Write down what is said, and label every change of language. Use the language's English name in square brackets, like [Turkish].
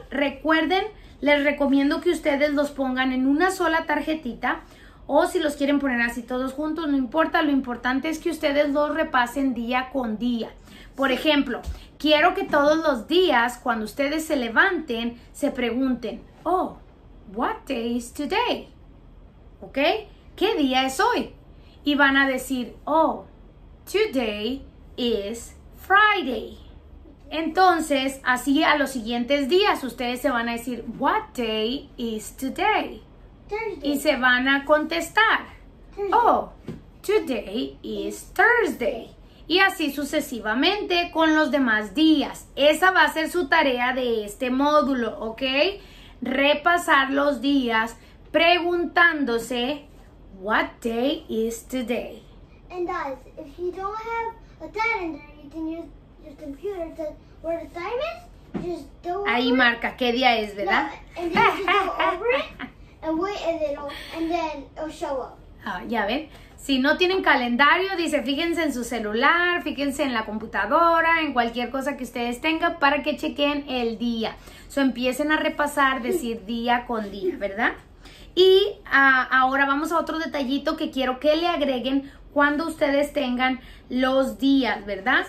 [Spanish] Recuerden, les recomiendo que ustedes los pongan en una sola tarjetita, o si los quieren poner así todos juntos, no importa. Lo importante es que ustedes los repasen día con día. Por ejemplo, quiero que todos los días, cuando ustedes se levanten, se pregunten, [English] oh, what day is today? [Spanish] ¿Ok? ¿Qué día es hoy? Y van a decir, [English] oh, today is Friday. [Spanish] Entonces, así a los siguientes días, ustedes se van a decir, [English] what day is today? Thursday. [Spanish] Y se van a contestar, [English] oh, today is Thursday. [Spanish] Y así sucesivamente con los demás días. Esa va a ser su tarea de este módulo, ¿ok? Repasar los días preguntándose, [English] what day is today? And guys, if you don't have a calendar, you can use your computer to where the time is, just go over. [Spanish] Ahí marca qué día es, ¿verdad? [English] And then you just go over it and wait a little and then it'll show up. [Spanish] Ah, ya ven. Si no tienen calendario, dice, fíjense en su celular, fíjense en la computadora, en cualquier cosa que ustedes tengan para que chequen el día. So, empiecen a repasar, decir día con día, ¿verdad? Y ahora vamos a otro detallito que quiero que le agreguen cuando ustedes tengan los días, ¿verdad?